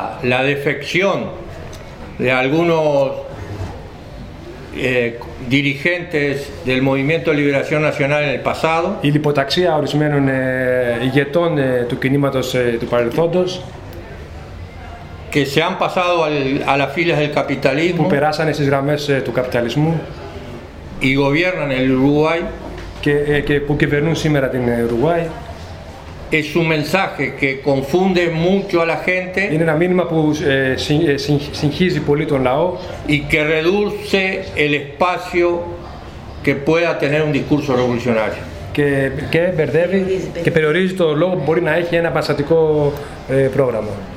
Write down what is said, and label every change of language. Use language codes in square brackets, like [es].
[es] La defección de algunos dirigentes del Movimiento de Liberación Nacional en el pasado. [el] Η λιποταξία ορισμένων ηγετών του κινήματος του παρελθόντος. [es] Que se han pasado a las filas del capitalismo. [el] Που περάσανε στις γραμμές του καπιταλισμού. [es] Y gobiernan el Uruguay. [el] Και που κυβερνούν σήμερα την Ουρουγουάη. [es] Es un mensaje que confunde mucho a la gente. [el] Είναι ένα μήνυμα που συγχύζει πολύ τον λαό. [es] Y que reduce el espacio que pueda tener un discurso revolucionario. [el] Και μπερδεύει και περιορίζει το λόγο που μπορεί να έχει ένα παστατικό πρόγραμμα.